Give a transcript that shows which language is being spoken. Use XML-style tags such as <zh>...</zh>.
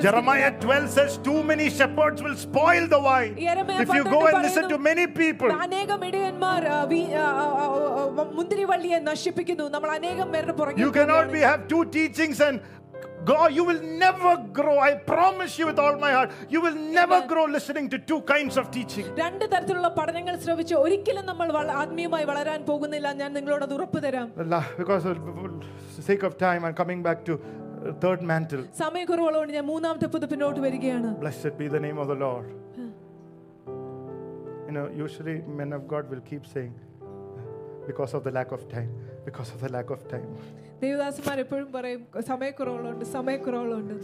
<en>Jeremiah 12 says, too many shepherds will spoil the vine. If you go and listen to many people, you cannot be have two teachings and God, you will never grow. I promise you with all my heart, you will never Amen. Grow listening to two kinds of teaching.</en> <ml>രണ്ട് തരത്തിലുള്ള പഠനങ്ങൾ ശ്രവിച്ച് ഒരിക്കലും നമ്മൾ ആത്മീയമായി വളരാൻ പോകുന്നില്ല. ഞാൻ നിങ്ങളോട് അത് ഉറപ്പ് തരാം.</ml> <en>Because of sake of time I'm coming back to third mantle.</en> <ml>സമയക്കുറവുള്ളതുകൊണ്ട് ഞാൻ മൂന്നാമത്തെ പുതുപ്പിനോട്ട് വരികയാണ്.</ml> <en>Blessed be the name of the Lord. You know, usually men of God will keep saying because of the lack of time.</en> <ml>ദേവദാസന്മാർ എപ്പോഴും പറയും സമയക്കുറവുള്ളതുകൊണ്ട്</ml>